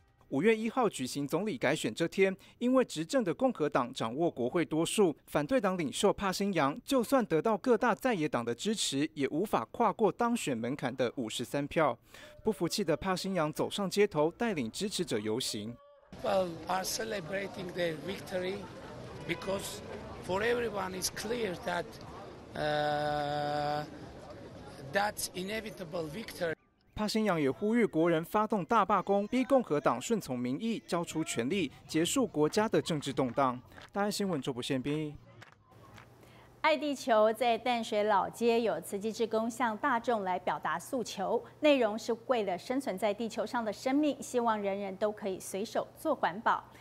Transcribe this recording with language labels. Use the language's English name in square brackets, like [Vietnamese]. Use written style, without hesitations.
[Chinese] 5月1号举行总理改选这天，因为执政的共和党掌握国会多数，反对党领袖帕辛扬就算得到各大在野党的支持，也无法跨过当选门槛的53票。不服气的帕辛扬走上街头，带领支持者游行。 [English] Well, are celebrating the victory because for everyone is clear that that's inevitable victory. [Chinese] 帕辛扬也呼吁国人发动大罢工，逼共和党顺从民意，交出权力，结束国家的政治动荡。大爱新闻周伯宪编译。爱地球在淡水老街有慈济志工向大众来表达诉求，内容是为了生存在地球上的生命，希望人人都可以随手做环保。